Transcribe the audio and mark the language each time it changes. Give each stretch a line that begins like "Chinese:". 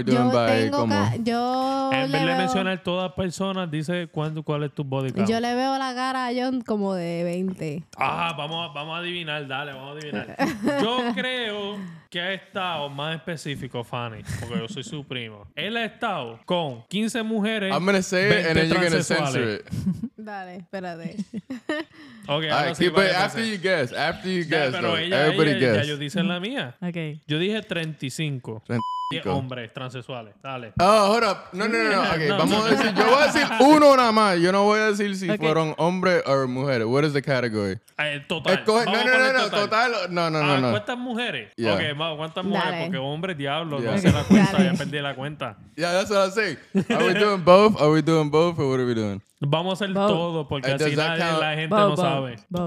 Spanish: vez de mencionar todas las personas, dice cuál es tu body count. Yo le veo la cara a John como de 20. Ah, vamos a adivinar, dale, vamos a adivinar. Yo creo que ha estado, más específico, Fanny, porque yo soy su primo. Él ha estado con 15 mujeres.
English: I'm gonna say it and then you're gonna censor it.
Spanish: Dale, espérate. Ok, ahora
English: sí, but after you guess, yeah, though, everybody guess.
Spanish: Ya yo dicen la mía. Ok. Yo dije 35. 35. Hombres transexuales. Dale.
English: Oh, hold up. No.
Spanish: Ok, vamos a decir, yo voy a decir uno nada más. Yo no voy a decir si fueron hombres o mujeres.
English: What is the category?
Spanish: Total. ¿Cuántas mujeres? Yeah. Ok, vamos, ¿cuántas mujeres? Dale. Porque hombre, diablo, yeah. No okay. Se la cuenta. Ya perdí la cuenta.
English: Yeah, that's what I say. Are we doing both or what are we doing?
Spanish: Vamos a hacer todo porque así nadie, la gente no sabe.